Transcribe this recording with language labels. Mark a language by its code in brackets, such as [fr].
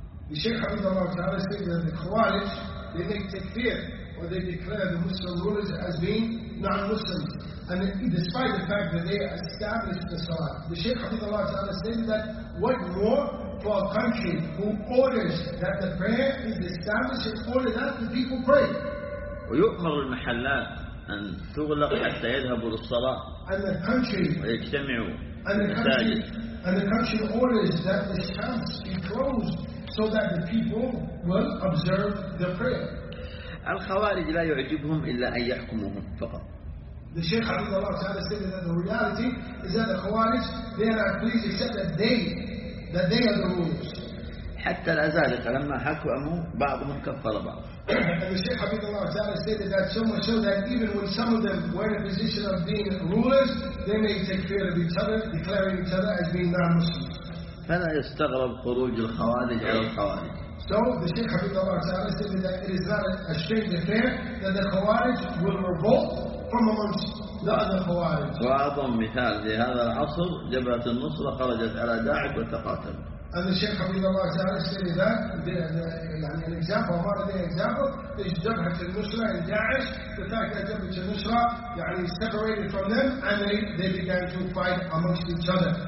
[en] الشيخ حمد الله تعالى said that the Khawarij, they make takfir, or they declare the Muslim rulers as being non-Muslims. And despite the fact that they established the Salah, the Shaykh Hafidhullah Ta'ala said that what more for a country who orders that the prayer is established and order that the people pray. [ar] ويؤمر المحلات أن تغلق حتى يذهبوا للصلاة ويجتمعوا [en] and the country orders that the shops be closed so that the people will observe the prayer. [ar] الخوارج لا يعجبهم إلا أن يحكموهم فقط. [en] The Shaykh Abdullah Ta'ala said that the reality is that the Khawarij, they are not pleased except that they are the rulers. [ar] حتى لا زالت لما حكموا بعضهم كفر بعض. [en] And the Shaykh Abdullah Ta'ala stated that so much so that even when some of them were in a position of being rulers, they made takfir of each other, declaring each other as being non-Muslims. [ar] فلا يستغرب خروج الخوارج على الخوارج. [en] So the Shaykh Abdullah Ta'ala stated that it is not a strange affair that the Khawarij will revolt from amongst the other Khawarij. [ar] وأعظم مثال لهذا العصر جبهة النصرة خرجت على داعب وتقاتل. [en] And the Shaykh Hafidhullah Ta'ala said that an example is Jabhat al-Nusra and Da'ish, the fact that Jabhat al-Nusra separated from them and they began to fight amongst each other.